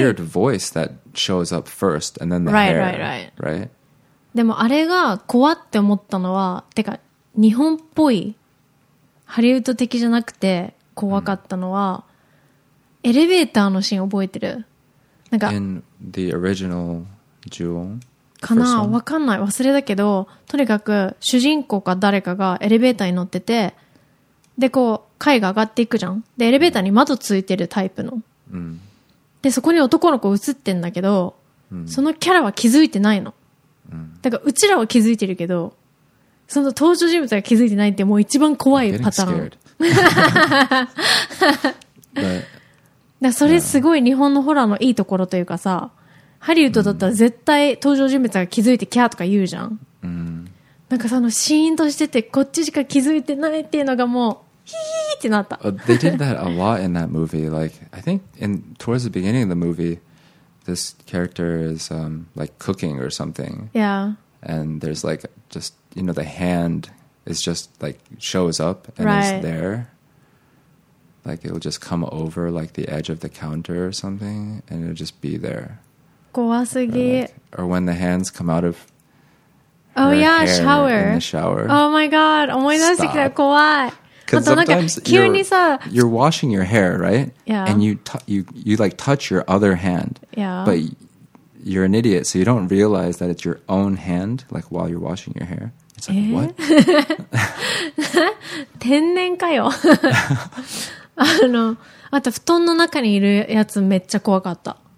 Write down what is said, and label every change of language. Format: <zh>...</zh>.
<en>That weird voice that shows up first and then the right, hair. Right, right, right. Right?</en> <ja>でもあれが怖って思ったのはてか日本っぽいハリウッド的じゃなくて怖かったのは、うん、エレベーターのシーン覚えてる？なんか</ja> <en>In the original Ju-on?</en> <ja>かな？わかんない忘れたけどとにかく主人公か誰かがエレベーターに乗っててでこう階が上がっていくじゃんでエレベーターに窓ついてるタイプの、うん、でそこに男の子映ってんだけど、うん、そのキャラは気づいてないのだからうちらは気づいてるけどその登場人物が気づいてないってもう一番怖いパターン</ja> <en>But,</en> <ja>だそれすごい日本のホラーのいいところというかさ、yeah. ハリウッドだったら絶対登場人物が気づいてキャーとか言うじゃん、 mm. なんかそのシーンとしててこっちしか気づいてないっていうのがもうヒーってなった</ja> <en>They did that a lot in that movie Like I think in, towards the beginning of the movieThis character is、like cooking or something. Yeah. And there's like just, you know, the hand is just like shows up and、 right. is there. Like it'll just come over like the edge of the counter or something and it'll just be there.</en> <ja>怖すぎ</ja> <en>or when the hands come out of her oh, yeah, hair shower. in the shower. Oh my god,</en> <ja>思い出してきた怖い。</ja> <en>Because sometimes you're washing your hair, right? Yeah. And you like touch your other hand. Yeah. But you're an idiot, so you don't realize that it's your own hand, like while you're washing your hair. It's like, what?</en> <ja>天然かよ。あの、あと布団の中にいるやつめっちゃ怖かった。</ja>